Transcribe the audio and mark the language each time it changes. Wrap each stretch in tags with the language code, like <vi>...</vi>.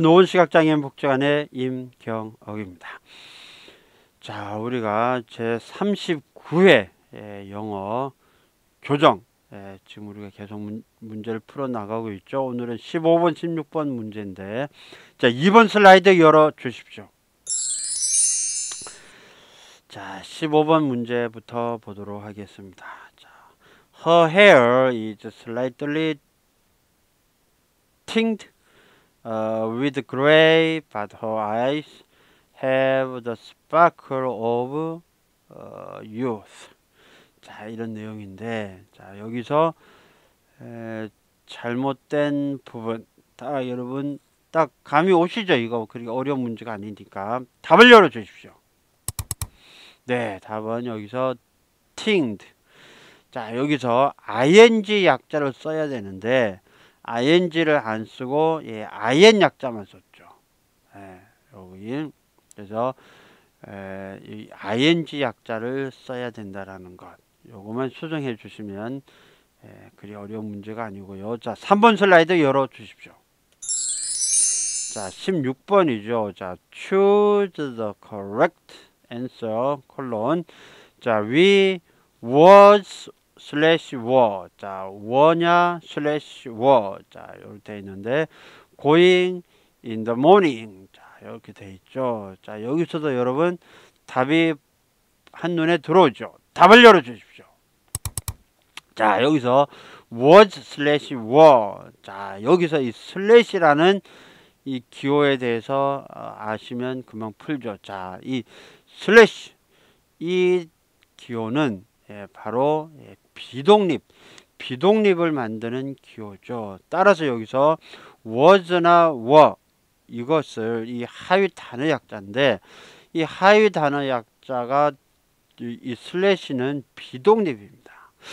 <ko>노원시각장애인 복지관의 임경옥입니다. 자, 우리가 제39회 영어 교정, 지금 우리가 계속 문제를 풀어나가고 있죠. 오늘은 15번, 16번 문제인데, 자, 2번 슬라이드 열어주십시오. 자, 15번 문제부터 보도록 하겠습니다.</ko> <en>자, her hair is slightly tinged with gray, but her eyes have the sparkle of youth.</en> <ko>자, 이런 내용인데, 자, 여기서 잘못된 부분. 딱 여러분, 딱 감이 오시죠? 이거 그렇게 어려운 문제가 아니니까. 답을 열어주십시오. 네, 답은 여기서 tinged. 자, 여기서 ing 약자를 써야 되는데, ing를 안 쓰고 예, in 약자만 썼죠. 예, 여기 그래서 이 ing 약자를 써야 된다라는 것. 요것만 수정해 주시면 그리 어려운 문제가 아니고요. 자, 3번 슬라이드 열어 주십시오. 자, 16번이죠.</ko> <en>자, choose the correct answer, colon. 자, we was slash were. 자, were냐 slash were.</en> <ko>자, 이렇게 돼 있는데</ko> <en>going in the morning.</en> <ko>자, 이렇게 돼 있죠. 자, 여기서도 여러분 답이 한눈에 들어오죠. 답을 열어 주십시오.</ko> <en>자, 여기서 was slash were.</en> <ko>자, 여기서 이 slash라는 이 기호에 대해서 아시면 금방 풀죠. 자, 이 slash 이 기호는 바로 비동립을 만드는 기호죠. 따라서 여기서 was나 were 이것을 이 하위 단어 약자인데 이 하위 단어 약자가 이 슬래시는 비동립입니다.</ko>